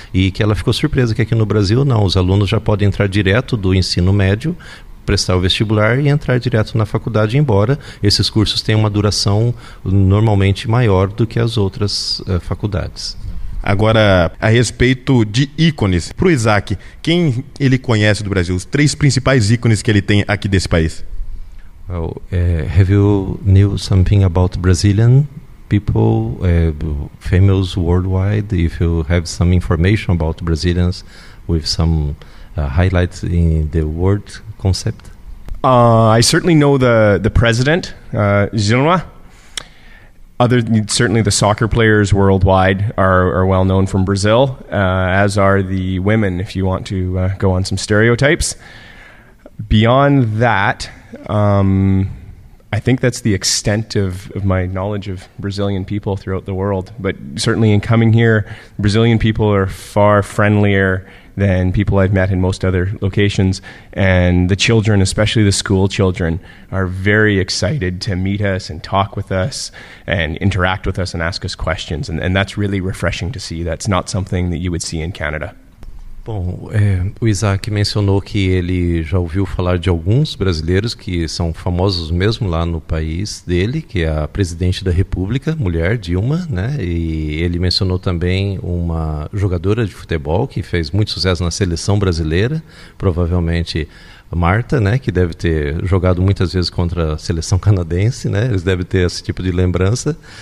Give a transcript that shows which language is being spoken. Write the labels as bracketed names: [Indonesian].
[Portuguese] E que ela ficou surpresa que aqui no Brasil, não, os alunos já podem entrar direto do ensino médio, prestar o vestibular e entrar direto na faculdade, embora esses cursos tenham uma duração normalmente maior do que as outras faculdades. Agora, a respeito de ícones, para o Isaac, quem ele conhece do Brasil? Os 3 principais ícones que ele tem aqui desse país? [English] Well, have you knew something about Brazilian people, famous worldwide? If you have some information about Brazilians with some highlights in the world concept? I certainly know the president, Zilma. Certainly the soccer players worldwide are well known from Brazil, as are the women, if you want to go on some stereotypes. Beyond that, I think that's the extent of my knowledge of Brazilian people throughout the world. But certainly in coming here, Brazilian people are far friendlier than people I've met in most other locations. And the children, especially the school children, are very excited to meet us and talk with us and interact with us and ask us questions. And that's really refreshing to see. That's not something that you would see in Canada. [Portuguese] Bom, o Isaac mencionou que ele já ouviu falar de alguns brasileiros que são famosos mesmo lá no país dele, que é a presidente da República, mulher, Dilma, né? E ele mencionou também uma jogadora de futebol que fez muito sucesso na seleção brasileira, provavelmente Marta, né, que deve ter jogado muitas vezes contra a seleção canadense, né, eles devem ter esse tipo de lembrança.